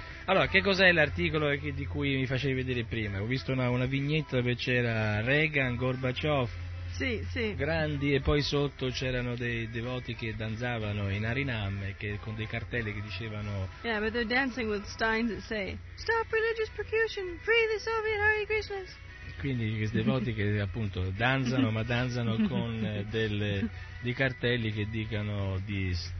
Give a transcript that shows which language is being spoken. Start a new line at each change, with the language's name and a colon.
Italian: Allora, che cos'è l'articolo di cui mi facevi vedere prima? Ho visto una vignetta dove c'era Reagan, Gorbaciov, sì. Grandi, e poi sotto c'erano dei devoti che danzavano in Arinam, che con dei cartelli che dicevano...
English: Yeah, but they're dancing with steins that say, stop religious persecution, free the Soviet Hare Krishna.
Italian: Quindi questi devoti che appunto danzano, ma danzano con dei cartelli che dicano di...